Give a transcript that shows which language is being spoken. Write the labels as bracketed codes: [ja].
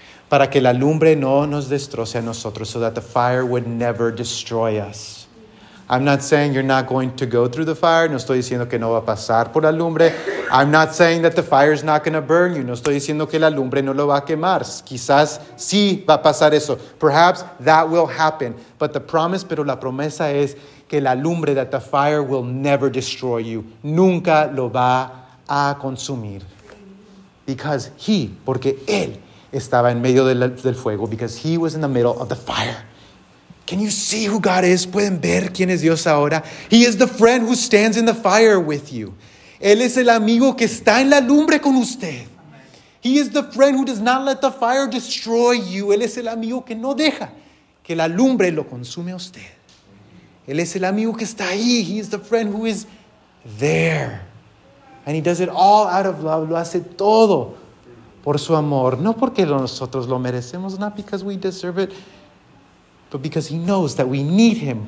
[es] Para que la lumbre no nos destroce a nosotros. [en] So that the fire would never destroy us. I'm not saying you're not going to go through the fire. [es] No estoy diciendo que no va a pasar por la lumbre. [en] I'm not saying that the fire is not going to burn you. [es] No estoy diciendo que la lumbre no lo va a quemar. Quizás sí va a pasar eso. [en] Perhaps that will happen. But the promise, pero la promesa es que la lumbre, that the fire will never destroy you. [es] Nunca lo va a consumir. [en] Because he, [es] porque él estaba en medio del fuego. [en] Because he was in the middle of the fire. Can you see who God is? [es] ¿Pueden ver quién es Dios ahora? [en] He is the friend who stands in the fire with you. [es] Él es el amigo que está en la lumbre con usted. [en] He is the friend who does not let the fire destroy you. [es] Él es el amigo que no deja que la lumbre lo consume a usted. Él es el amigo que está ahí. [en] He is the friend who is there. And he does it all out of love. [es] Lo hace todo por su amor. No porque nosotros lo merecemos. [en] Not because we deserve it. but because he knows that we need him.